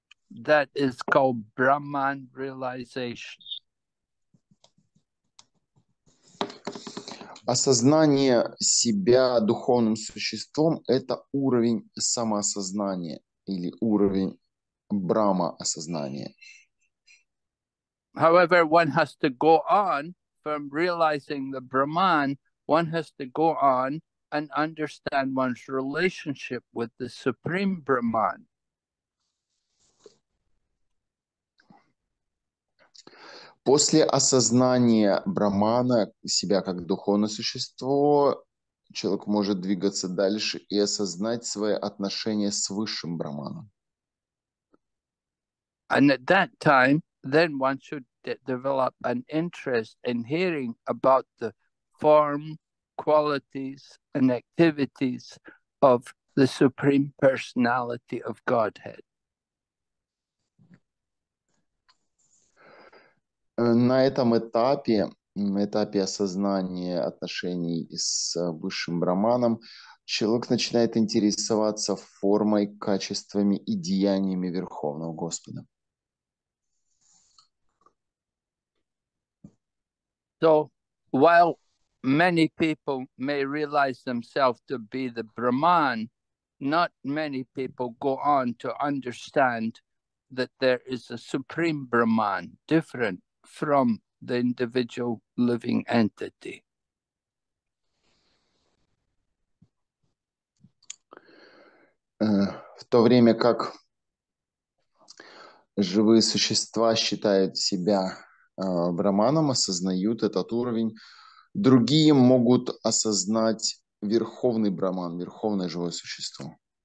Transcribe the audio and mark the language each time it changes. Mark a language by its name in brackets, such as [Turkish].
[English] That is called Brahman realization. [Russian] Осознание себя духовным существом – это уровень самоосознания или уровень брама-осознания. [English] However, one has to go on from realizing the Brahman, one has to go on and understand one's relationship with the Supreme Brahman. [Russian] После осознания Брахмана, себя как духовное существо, человек может двигаться дальше и осознать свои отношения с Высшим Брахманом. [English] And at that time, then one should develop an interest in hearing about the form, qualities, and activities of the Supreme Personality of Godhead. [Russian] На этом этапе, на этапе осознания отношений с Высшим Брахманом, человек начинает интересоваться формой, качествами и деяниями Верховного Господа. [English] So, while many people may realize themselves to be the Brahman, not many people go on to understand that there is a Supreme Brahman, different from the individual living entity. [Russian] В то время как живые существа считают себя брахманом, осознают этот уровень, другие могут осознать верховный брахман, верховное живое существо.